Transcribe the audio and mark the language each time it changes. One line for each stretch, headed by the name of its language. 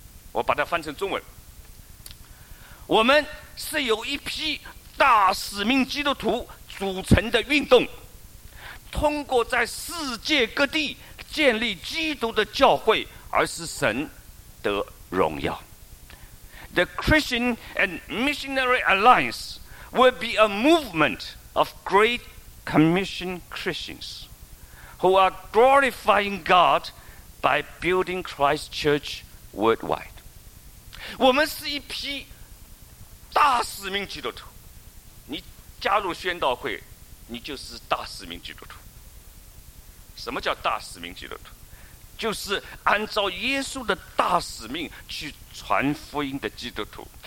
Chinese: 我把它翻成中文：我们是由一批大使命基督徒组成的运动，通过在世界各地建立基督的教会而使神得荣耀。
English: The Christian and Missionary Alliance will be a movement of Great Commission Christians who are glorifying God by building Christ's Church worldwide.
Chinese: 我们是一批大使命基督徒，你加入宣道会，你就是大使命基督徒。什么叫大使命基督徒？就是按照耶稣的大使命去传福音的基督徒。